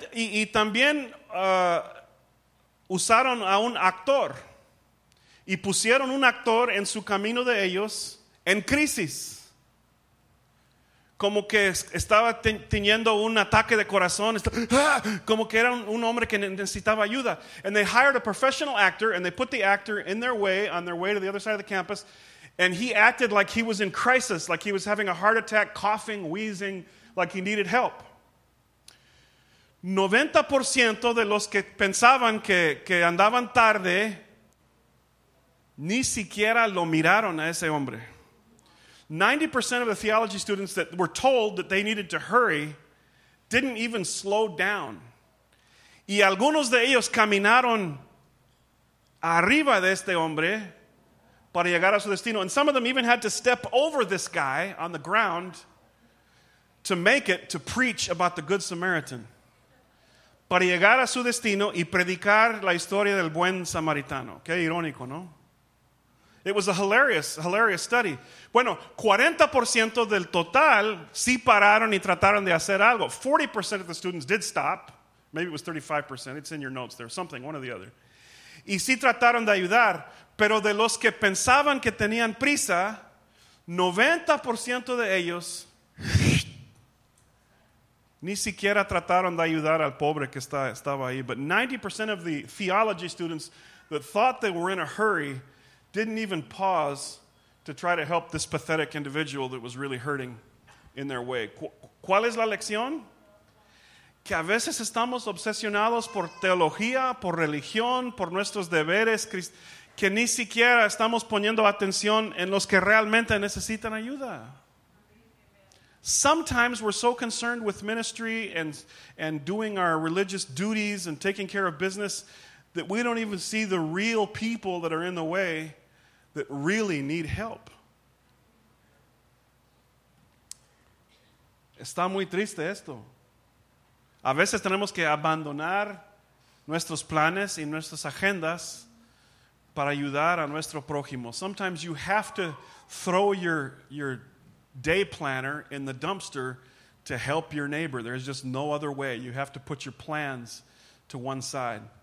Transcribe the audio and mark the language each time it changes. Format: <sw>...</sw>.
<es>Y también usaron a un actor y pusieron un actor en su camino de ellos en crisis, como que estaba teniendo un ataque de corazón, como que era un hombre que necesitaba ayuda.</es> <en>And they hired a professional actor and they put the actor in their way, on their way to the other side of the campus, and he acted like he was in crisis, like he was having a heart attack, coughing, wheezing, like he needed help.</en> <es>90% de los que pensaban que andaban tarde ni siquiera lo miraron a ese hombre.</es> <en>90% of the theology students that were told that they needed to hurry didn't even slow down.</en> <es>Y algunos de ellos caminaron arriba de este hombre para llegar a su destino.</es> <en>And some of them even had to step over this guy on the ground to make it to preach about the Good Samaritan.</en> <es>Para llegar a su destino y predicar la historia del buen samaritano. Qué irónico, ¿no?</es> <en>It was a hilarious study.</en> <es>Bueno, 40% del total sí pararon y trataron de hacer algo.</es> <en>40% of the students did stop. Maybe it was 35%. It's in your notes there. Something, one or the other.</en> <es>Y sí trataron de ayudar. Pero de los que pensaban que tenían prisa, 90% de ellos... ni siquiera trataron de ayudar al pobre que estaba ahí.</es> <en>But 90% of the theology students that thought they were in a hurry didn't even pause to try to help this pathetic individual that was really hurting in their way.</en> <es>¿Cuál es la lección? Que a veces estamos obsesionados por teología, por religión, por nuestros deberes, que ni siquiera estamos poniendo atención en los que realmente necesitan ayuda.</es> <en>Sometimes we're so concerned with ministry and doing our religious duties and taking care of business that we don't even see the real people that are in the way that really need help.</en> <es>Está muy triste esto. A veces tenemos que abandonar nuestros planes y nuestras agendas para ayudar a nuestro prójimo.</es> <en>Sometimes you have to throw your day planner in the dumpster to help your neighbor. There's just no other way. You have to put your plans to one side.</en>